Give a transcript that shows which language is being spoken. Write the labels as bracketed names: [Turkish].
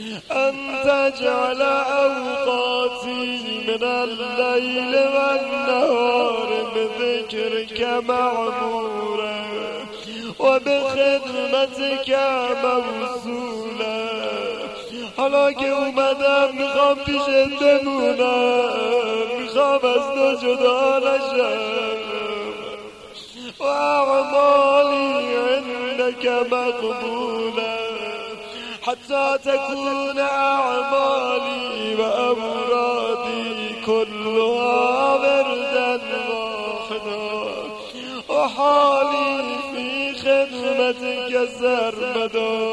[Arabic] أنت جعل أوقاتي من الليل والنهار بذكرك معمورا وبخدمتك موصولا. [Persian] حالا که اومدم میخوام پیش بمونم، میخوام از تو جدا نشم. [Arabic] و اعمالی عندك مقبولا حتى تكون أعمالي وأمرادي كلها وردا واحدا، وحالي في خدمتك سرمدا.